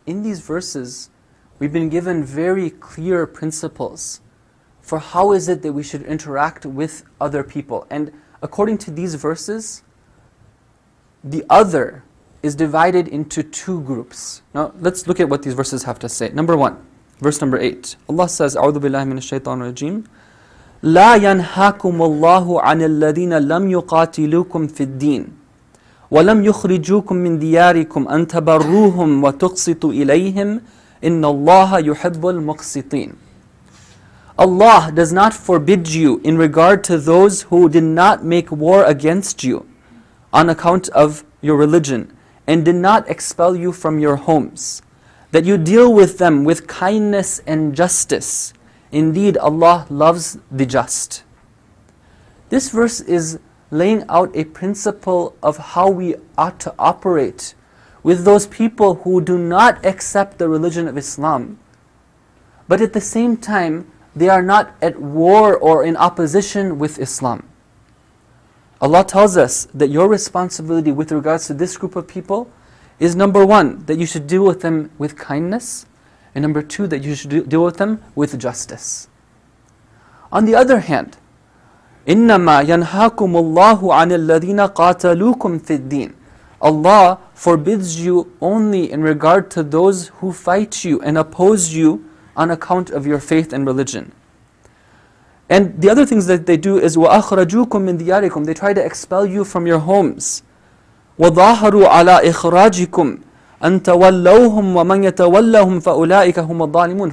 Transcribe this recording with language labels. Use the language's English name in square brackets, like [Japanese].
[English] In these verses, we've been given very clear principles for how is it that we should interact with other people. And according to these verses, the other is divided into two groups. Now, let's look at what these verses have to say. Number one, verse number 8. Allah says, [Arabic] أعوذ بالله من الشيطان الرجيم لا ينهاكم الله عن الذين لم يقاتلوكم في الدين ولم يخرجوكم من دياركم أن تبروهم وتقسطوا إليهم إن الله يحب المقسطين. [English] Allah does not forbid you in regard to those who did not make war against you on account of your religion and did not expel you from your homes, that you deal with them with kindness and justice. Indeed, Allah loves the just. This verse is laying out a principle of how we ought to operate with those people who do not accept the religion of Islam, but at the same time, they are not at war or in opposition with Islam. Allah tells us that your responsibility with regards to this group of people is number one, that you should deal with them with kindness, and number two, that you should deal with them with justice. On the other hand, [Arabic] إِنَّمَا يَنْهَاكُمُ اللَّهُ عَنِ الَّذِينَ قَاتَلُوكُمْ فِي الدِّينِ. [English] Allah forbids you only in regard to those who fight you and oppose you on account of your faith and religion. And the other things that they do is [Arabic] وَأَخْرَجُوكُمْ مِنْ دِيَارِكُمْ. [English] They try to expel you from your homes. [Arabic] وَظَاهَرُوا عَلَىٰ إِخْرَاجِكُمْ أَن تَوَلَّوْهُمْ وَمَنْ يَتَوَلَّهُمْ فَأُولَٰئِكَ هُمَ الظَّالِمُونَ.